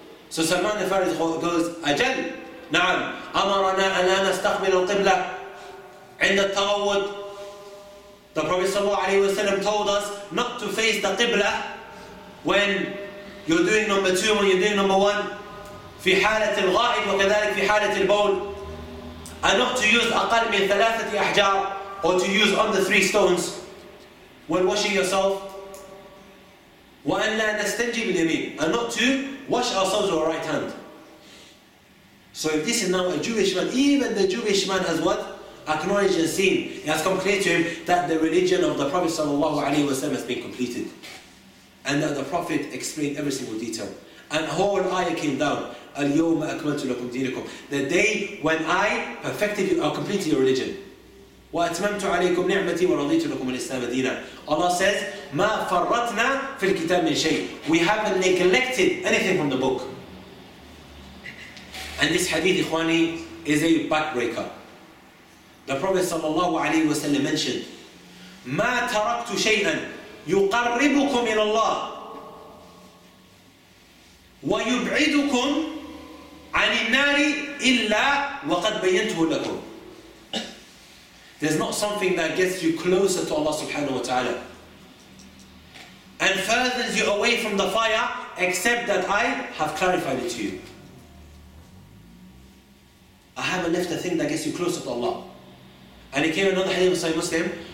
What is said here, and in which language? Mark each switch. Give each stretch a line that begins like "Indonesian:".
English: So Salman al-Farisi goes,
Arabic: ajal, na'am, amarana ala nastaqbil al-qibla, inda tawud.
English: The Prophet sallallahu alayhi wa sallam told us not to face the qibla when you're doing number two, when you're doing number one.
Arabic: في حالة الغائب وكذلك في حالة البول.
English: And not to use
Arabic: أقل من ثلاثة أحجار,
English: or to use under three stones when washing yourself.
Arabic: وأن لا نستنجي باليمين,
English: and not to wash ourselves with our right hand. So if this is now a Jewish man, even the Jewish man has what? Acknowledged and seen. It has come clear to him that the religion of the Prophet sallallahu alaihi wasallam has been completed. And that the Prophet explained every single detail. And a whole ayah came down.
Arabic: اليوم أكملت لكم دينكم.
English: The day when I perfected you, or completed your religion.
Arabic: وأتممت عليكم نعمتي ورضيت لكم الإسلام دينا.
English: Allah says,
Arabic: ما فرطنا في الكتاب من شيء.
English: We haven't neglected anything from the book. And this hadith, ikhwani, is a backbreaker. The Prophet sallallahu alaihi wasallam mentioned,
Arabic: ما تركت شيئا يقربكم إلى الله ويبعدكم عن النار إلا وقد بينته لكم.
English: There's not something that gets you closer to Allah subhanahu wa ta'ala and furthers you away from the fire except that I have clarified it to you. I haven't left a thing that gets you closer to Allah. And it came another hadith in Sahih Muslim.